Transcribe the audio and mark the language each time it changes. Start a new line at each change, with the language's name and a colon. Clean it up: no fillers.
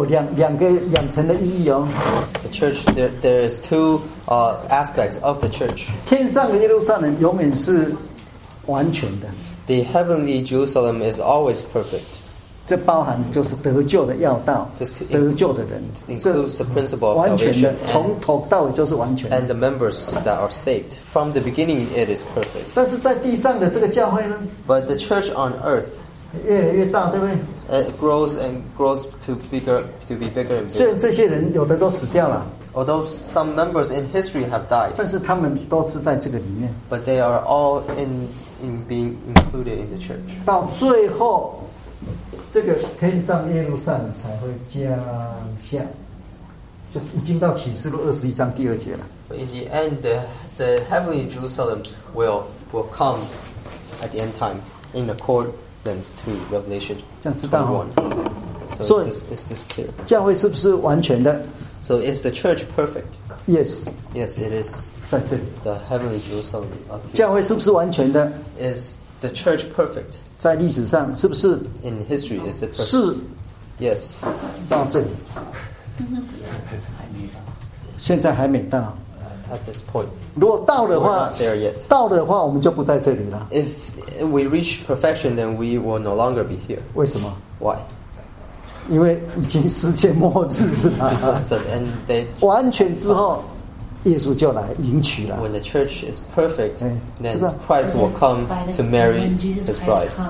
Chinese: 所以那个启示录21章第二节，这里教会当耶稣再来的时候，教会就完全。教会这有两层的意义哦。
English: The church, there is two aspects of the church.
Chinese: 天上的耶路撒冷永远是完全的。
English: The heavenly Jerusalem is always perfect.
Chinese: 这包含就是得救的要道，得救的人。
English: This includes the principle of salvation，
Chinese: 从头到尾就是完全。
English: And the members that are saved from the beginning, it is perfect.
Chinese: 但是在地上的这个教会呢？
English: But the church on earth
Chinese: 越来越大，对不对？
English: It grows and grows to bigger, to be bigger and bigger.
Chinese: 虽然这些人有的都死掉了。
English: Although some members in history have died.
Chinese: 但是他们都是在这个里面。
English: But they are all in being included in the church.
Chinese: 到最后。这个天上耶路撒冷才会降下，就已经到启示录21章第二节了。
English: In the end, the heavenly Jerusalem will come at the end time. in accordance to Revelation 21. So is this clear?
Chinese: 教会是不是完全的?
English: So is the church perfect? Yes. Yes, it is.
Chinese: 在这里。
English: The heavenly Jerusalem.
Chinese: 教会是不是完全的?
English: Is the church perfect?
Chinese: 在历史上是不是?
English: In history, is it perfect?
Chinese: 是。
English: Yes.
Chinese: 到这里。现在还没到。
English: At this point.
Chinese: 如果到的话,
English: we're not there yet.
Chinese: 到的话我们就不在这里了。
English: If we reach perfection, then we will no longer be here.
Chinese: 为什么?
English: Why?
Chinese: 因为已经世界末日了，完全之后，耶稣就来迎娶了。
English: When the church is perfect, then Christ will come to marry his bride.